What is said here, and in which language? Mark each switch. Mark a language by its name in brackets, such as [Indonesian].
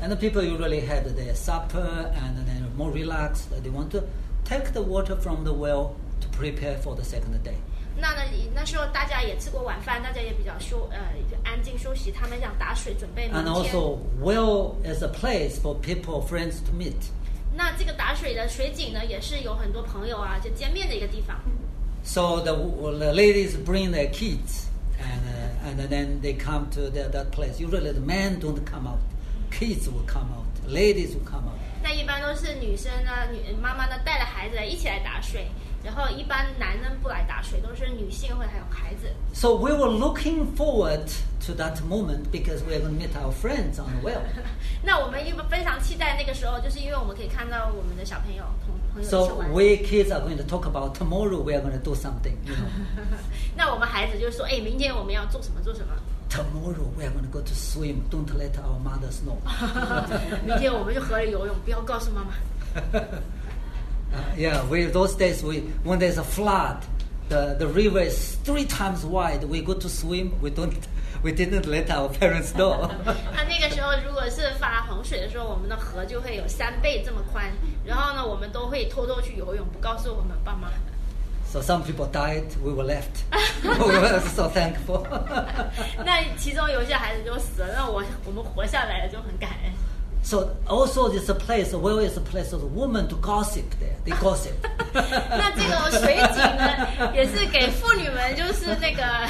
[English] And the people usually had their supper and then more relaxed, they want to take the water from the well to prepare for the second day. [Chinese] 那时候大家也吃过晚饭，大家也比较休就安静休息，他们想打水准备明天。 [English] And also well is a place for people, friends to meet. [Chinese] 那这个打水的水井呢也是有很多朋友啊就见面的一个地方。 [English] So the ladies bring their kids and then they come to that place. Usually the men don't come out. Kids will come out. Ladies will come out. [Chinese] 那一般都是女生呢女妈妈呢带着孩子一起来打水，然后一般男人不来打水，都是女性会还有孩子。 [English] So we were looking forward to that moment because we are going to meet our friends on the well. [Chinese] 那我们又非常期待那个时候，就是因为我们可以看到我们的小朋友。 [English] So we kids are going to talk about tomorrow. We are going to do something. You know. [Chinese] 那我们孩子就说，哎，明天我们要做什么做什么。 [English] Tomorrow we are going to go to swim. Don't let our mothers know. [Chinese] 明天我们就河里游泳，不要告诉妈妈。 [English] Yeah, those days when there's a flood, the river is 3 times wide. We go to swim. We didn't let our parents know. [Chinese] 他那个时候如果是发洪水的时候，我们的河就会有3倍这么宽。然后呢，我们都会偷偷去游泳，不告诉我们爸妈。 [English] So some people died, we were left. We were so thankful. [Chinese] 那其中有些孩子就死了，那我们活下来了就很感恩。 [English] So also this place, the well is a place of the woman to gossip there. They gossip. [Chinese] 那这个水井呢，也是给妇女们就是那个。